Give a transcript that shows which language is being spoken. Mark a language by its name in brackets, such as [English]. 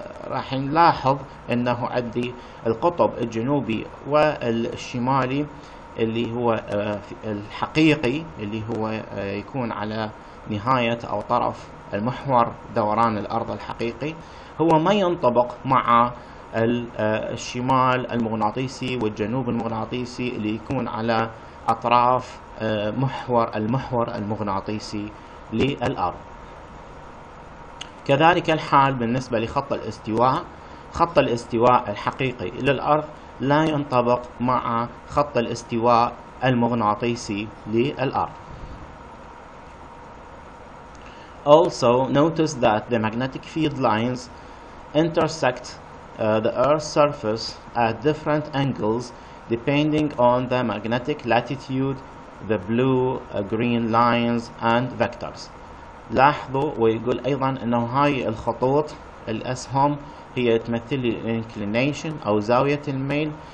[Arabic] راح نلاحظ انه عندي القطب الجنوبي والشمالي اللي هو الحقيقي اللي هو يكون على نهاية او طرف المحور دوران الارض الحقيقي، هو ما ينطبق مع الشمال المغناطيسي والجنوب المغناطيسي اللي يكون على أطراف المحور المغناطيسي للأرض. كذلك الحال بالنسبة لخط الاستواء، خط الاستواء الحقيقي للأرض لا ينطبق مع خط الاستواء المغناطيسي للأرض. [English] Also notice that the magnetic field lines intersect the Earth's surface at different angles depending on the magnetic latitude, the blue, green lines and vectors. [Arabic] لاحظوا، ويقول أيضا أنه هاي الخطوط الأسهم هي تمثل لي الانكلينيشن أو زاوية الميل.